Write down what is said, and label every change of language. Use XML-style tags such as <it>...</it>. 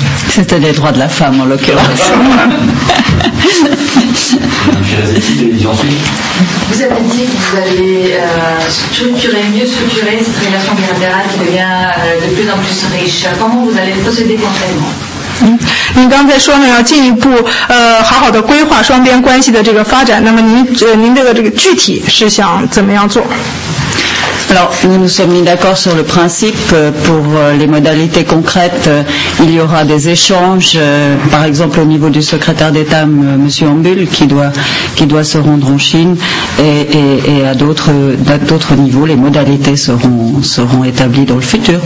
<fr>C'était les droits de la femme en l'occurrence. Vous avez dit que vous allez mieux structurer cette relation bilatérale qui devient de plus en plus riche. Comment vous allez procéder concrètement?</fr> <zh>您刚才说呢，要进一步好好的规划双边关系的这个发展，那么您的这个具体是想怎么样做？</zh> <fr>Alors, nous nous sommes mis d'accord sur le principe pour les modalités concrètes. Il y aura des échanges, par exemple au niveau du secrétaire d'État, Monsieur Ambul, qui doit se rendre en Chine, et à d'autres niveaux, les modalités seront établies dans le futur.</fr>